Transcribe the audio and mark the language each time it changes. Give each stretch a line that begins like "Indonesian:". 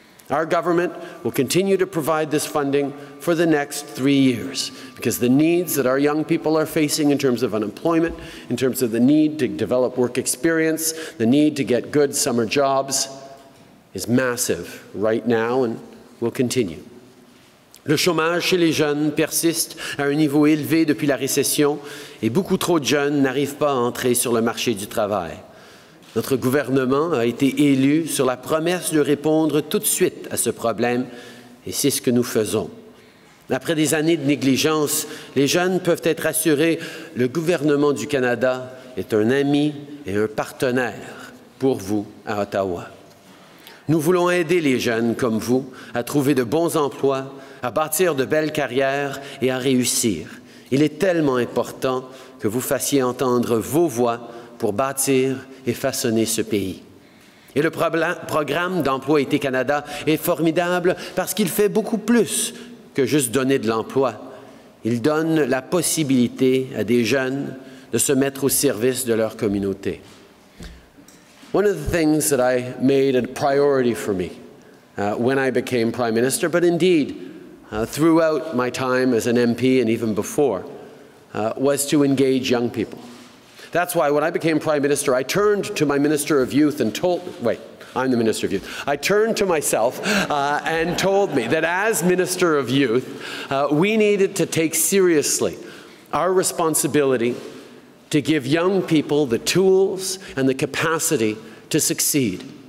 English: Our government will continue to provide this funding for the next 3 years, because the needs that our young people are facing in terms of unemployment, in terms of the need to develop work experience, the need to get good summer jobs, is massive right now and will continue.
French: Le chômage chez les jeunes persiste à un niveau élevé depuis la récession et beaucoup trop de jeunes n'arrivent pas à entrer sur le marché du travail. Notre gouvernement a été élu sur la promesse de répondre tout de suite à ce problème et c'est ce que nous faisons. Après des années de négligence, les jeunes peuvent être assurés, le gouvernement du Canada est un ami et un partenaire pour vous à Ottawa. Nous voulons aider les jeunes comme vous à trouver de bons emplois, à bâtir de belles carrières et à réussir. Il est tellement important que vous fassiez entendre vos voix pour bâtir et façonner ce pays. Et le programme d'emploi Été Canada est formidable parce qu'il fait beaucoup plus que juste donner de l'emploi. Il donne la possibilité à des jeunes de se mettre au service de leur communauté.
English: One of the things that I made a priority for me when I became Prime Minister, but indeed throughout my time as an MP and even before, was to engage young people. That's why when I became Prime Minister, I turned to my Minister of Youth and told, I turned to myself and told me that as Minister of Youth, we needed to take seriously our responsibility to give young people the tools and the capacity to succeed.